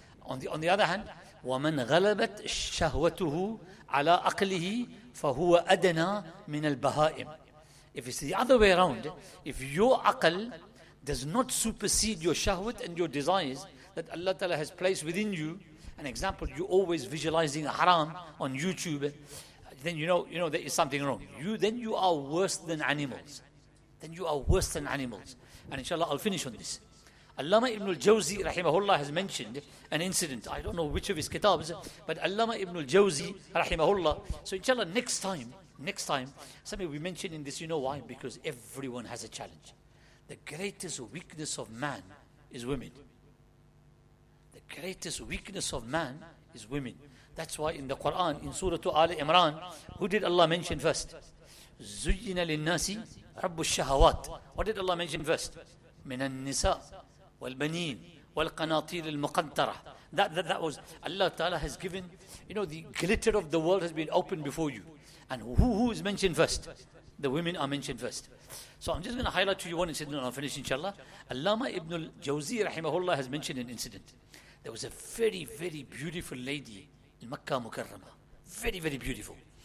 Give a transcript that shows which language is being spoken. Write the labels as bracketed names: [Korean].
[English] On the other hand, [Arabic] وَمَنْ غَلَبَتْ شَهْوَتُهُ عَلَىٰ أَقْلِهِ فَهُوَ أَدَنَى مِنَ الْبَهَائِمِ. [English] If it's the other way around, if your aql does not supersede your shahwat and your desires that Allah Ta'ala has placed within you, an example, you're always visualizing haram on YouTube, then you know there is something wrong. You are worse than animals. Then you are worse than animals. And inshallah, I'll finish on this. Allama Ibn al-Jawzi, rahimahullah, has mentioned an incident. I don't know which of his kitabs, but Allama Ibn al-Jawzi, rahimahullah. So inshallah, next time, something we mentioned in this, you know why? Because everyone has a challenge. The greatest weakness of man is women. The greatest weakness of man is women. That's why in the Quran, in Surah Ali Imran, who did Allah mention first? [Arabic] زُيِّنَ لِلنَّاسِ رَبُّ الشَّهَوَاتِ. [English] What did Allah mention first? [Arabic] مِنَ النِّسَاءِ والبنين والقناطير المقنطرة. [English] That was Allah Ta'ala has given, you know, the glitter of the world has been opened before you. And who is mentioned first? The women are mentioned first. So I'm just going to highlight to you one incident and I'll finish inshallah. Allama Ibn al-Jawzi rahimahullah has mentioned an incident. There was a very, very beautiful lady in Makkah Mukarramah. Very, very beautiful.